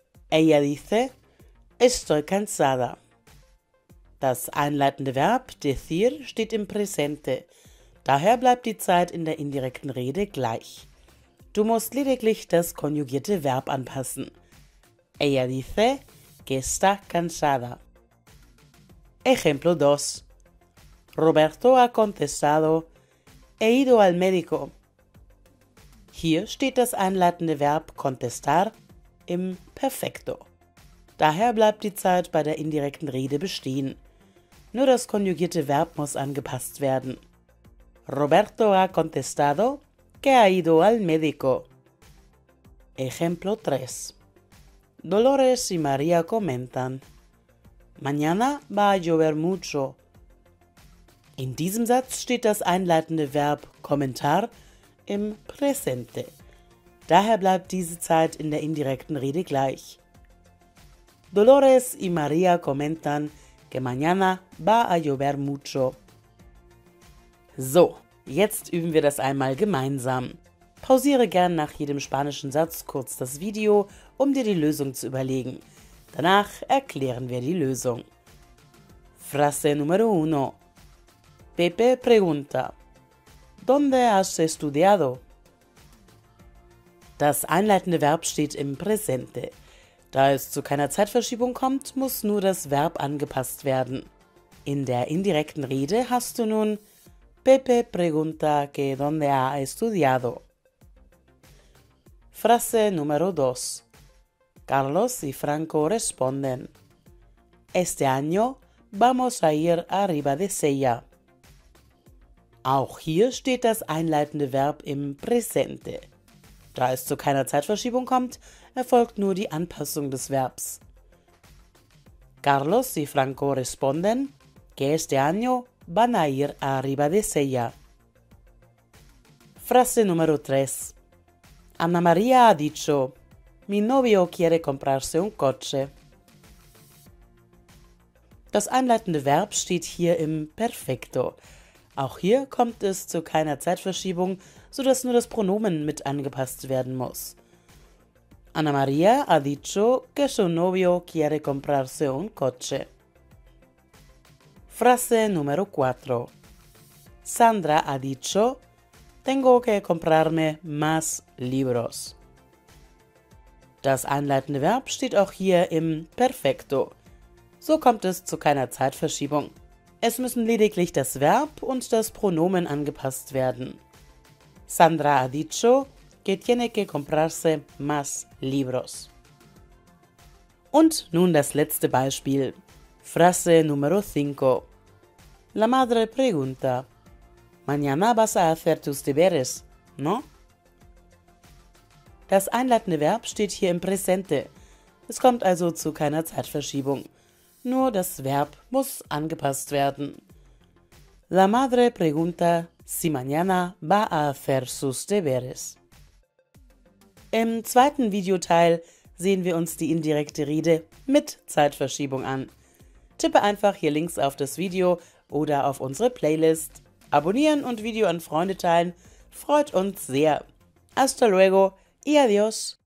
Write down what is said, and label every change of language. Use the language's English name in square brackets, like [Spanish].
[Spanish] Ella dice, estoy cansada. [German] Das einleitende Verb, decir, steht im Presente. Daher bleibt die Zeit in der indirekten Rede gleich. Du musst lediglich das konjugierte Verb anpassen. [Spanish] Ella dice que está cansada. Ejemplo 2. Roberto ha contestado. He ido al médico. [German] Hier steht das einleitende Verb contestar im Perfekto. Daher bleibt die Zeit bei der indirekten Rede bestehen. Nur das konjugierte Verb muss angepasst werden. [Spanish] Roberto ha contestado. Que ha ido al médico. Ejemplo 3. Dolores y María comentan. Mañana va a llover mucho. [German] In diesem Satz steht das einleitende Verb comentar im Presente. Daher bleibt diese Zeit in der indirekten Rede gleich. [Spanish] Dolores y María comentan que mañana va a llover mucho. [German] So. Jetzt üben wir das einmal gemeinsam. Pausiere gern nach jedem spanischen Satz kurz das Video, um dir die Lösung zu überlegen. Danach erklären wir die Lösung. [Spanish] Frase número 1. Pepe pregunta. ¿Dónde has estudiado? [German] Das einleitende Verb steht im Presente. Da es zu keiner Zeitverschiebung kommt, muss nur das Verb angepasst werden. In der indirekten Rede hast du nun [Spanish] Pepe pregunta que dónde ha estudiado. Frase número 2. Carlos y Franco responden. Este año vamos a ir a Ribadesella. [German] Auch hier steht das einleitende Verb im Presente. Da es zu keiner Zeitverschiebung kommt, erfolgt nur die Anpassung des Verbs. [Spanish] Carlos y Franco responden que este año van a ir a Ribadesella. Frase número 3. Ana María ha dicho, mi novio quiere comprarse un coche. [German] Das einleitende Verb steht hier im Perfekto. Auch hier kommt es zu keiner Zeitverschiebung, sodass nur das Pronomen mit angepasst werden muss. [Spanish] Ana María ha dicho que su novio quiere comprarse un coche. Frase número 4. Sandra ha dicho, tengo que comprarme más libros. [German] Das einleitende Verb steht auch hier im Perfecto. So kommt es zu keiner Zeitverschiebung. Es müssen lediglich das Verb und das Pronomen angepasst werden. [Spanish] Sandra ha dicho que tiene que comprarse más libros. [German] Und nun das letzte Beispiel. [Spanish] Frase número 5. La madre pregunta. Mañana vas a hacer tus deberes, ¿no? [German] Das einleitende Verb steht hier im Präsente. Es kommt also zu keiner Zeitverschiebung. Nur das Verb muss angepasst werden. [Spanish] La madre pregunta si mañana va a hacer sus deberes. [German] Im zweiten Videoteil sehen wir uns die indirekte Rede mit Zeitverschiebung an. Tippe einfach hier links auf das Video oder auf unsere Playlist. Abonnieren und Video an Freunde teilen freut uns sehr. [Spanish] Hasta luego y adiós.